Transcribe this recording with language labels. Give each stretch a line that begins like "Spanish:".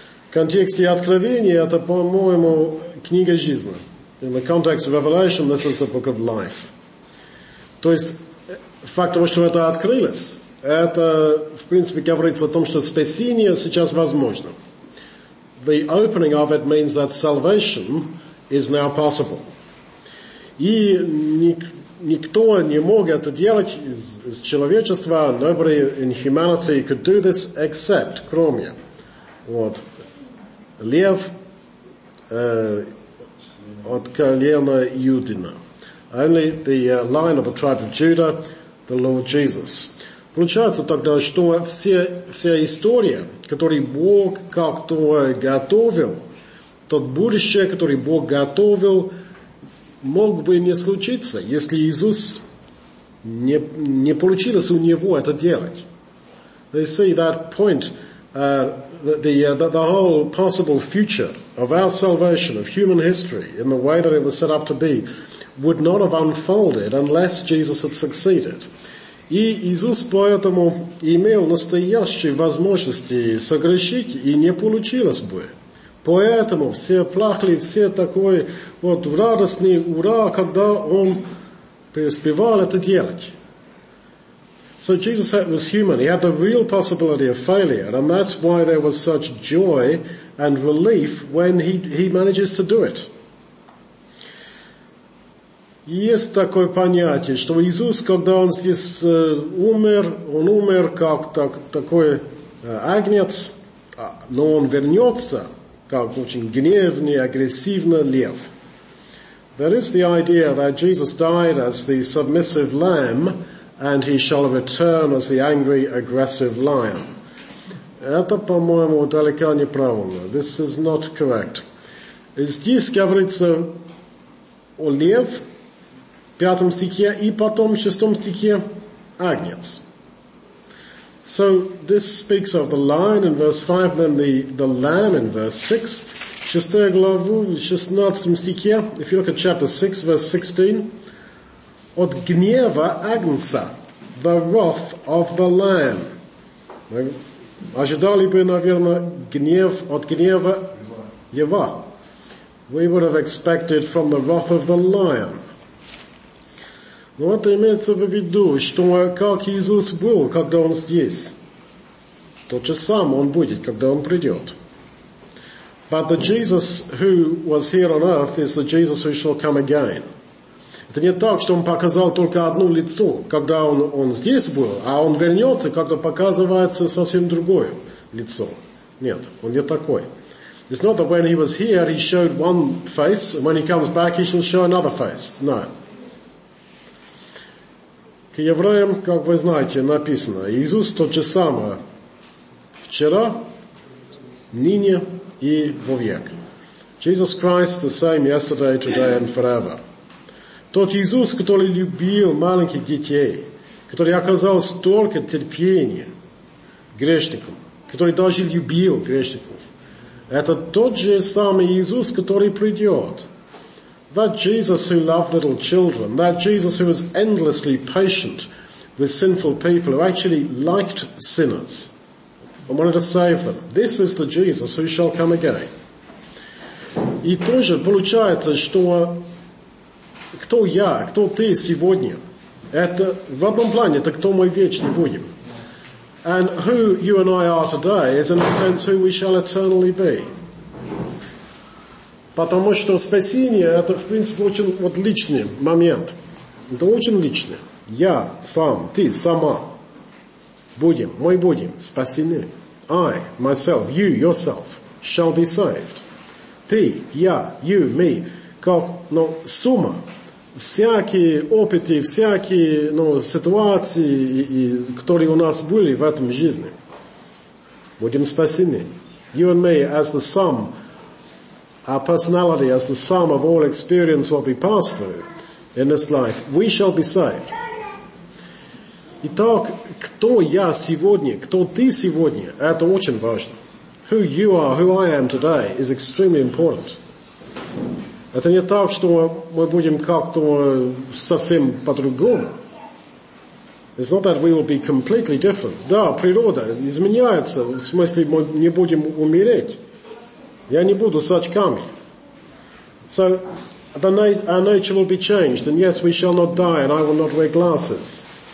Russian: В контексте Откровения это, по-моему, книга жизни.
English: In the context of Revelation, this is the book of life.
Russian: То есть, факт того, что это открылось, это, в принципе, говорится о том, что спасение сейчас возможно.
English: The opening of it means that salvation is now possible.
Russian: И никто не мог это делать из человечества,
English: nobody in humanity could do this except,
Russian: кроме, вот, лев от колена Иудина.
English: Only the line of the tribe of Judah, the Lord Jesus.
Russian: Получается тогда, что вся история, которую Бог как-то готовил, тот будущее, которое Бог готовил, мог бы не случиться, если Иисус не получилось у него это делать.
English: They see that point, the whole possible future of our salvation, of human history, in the way that it was set up to be, would not have unfolded unless Jesus had succeeded.
Russian: И Иисус поэтому имел настоящие возможности согрешить, и не получилось бы. Поэтому все плакали, все такой вот радостный ура, когда он преуспевал это делать.
English: So Jesus was human. He had the real possibility of failure, and that's why there was such joy and relief when he manages to do it.
Russian: Есть такое понятие, что Иисус, когда он здесь умер, он умер как такой агнец, но он вернется как очень гневный, агрессивный лев.
English: That is the idea that Jesus died as the submissive lamb, and he shall return as the angry, aggressive lion.
Russian: Это, по-моему, далеко не правильно.
English: This is not correct.
Russian: Здесь говорится о лев, в пятом стихе, и потом в шестом стихе агнец.
English: So, this speaks of the lion in verse 5, then the lamb in verse 6.
Russian: Шестая глава, в шестнадцатом стихе,
English: if you look at chapter 6, verse 16,
Russian: от гнева агнца,
English: the wrath of the lamb.
Russian: Мы ожидали бы, наверное, гнев от гнева льва.
English: We would have expected from the wrath of the lion.
Russian: Но это имеется в виду, что как Иисус был, когда он здесь, тот же сам он будет, когда он придет.
English: But the Jesus who was here on earth is the Jesus who shall come again.
Russian: Это не так, что он показал только одно лицо, когда он здесь был, а он вернется, когда показывается совсем другое лицо. Нет, он не такой.
English: It's not that when he was here, he showed one face, and when he comes back, he shall show another face. No.
Russian: К евреям, как вы знаете, написано, Иисус тот же самый вчера, ныне и вовек.
English: Jesus Christ the same yesterday, today and forever.
Russian: Тот Иисус, который любил маленьких детей, который оказал столько терпения грешникам, который даже любил грешников, это тот же самый Иисус, который придет.
English: That Jesus who loved little children, that Jesus who was endlessly patient with sinful people, who actually liked sinners and wanted to save them. This is the Jesus who shall come again.
Russian: И тоже получается, что кто я, кто ты сегодня, это в одном плане, это кто мы вечно будем.
English: And who you and I are today is in a sense who we shall eternally be.
Russian: Потому что спасение – это, в принципе, очень вот личный момент. Это очень личный. Я сам, ты сама. Будем, мы будем спасены.
English: I, myself, you, yourself, shall be saved.
Russian: Ты, я,
English: you, me.
Russian: Как, ну, сумма. Всякие опыты, всякие, ну, ситуации, которые у нас были в этом жизни. Будем спасены.
English: You and me as the sum. Our personality as the sum of all experience what we pass through in this life. We shall be saved.
Russian: Итак, кто я сегодня, кто ты сегодня, это очень важно.
English: Who you are, who I am today is extremely important.
Russian: Это не так, что мы будем как-то совсем по-другому.
English: It's not that we will be completely different.
Russian: Да, природа изменяется, в смысле мы не будем умереть. Я не буду с очками.
English: So, our nature will be changed, and yes, we shall not die, and I will not wear glasses.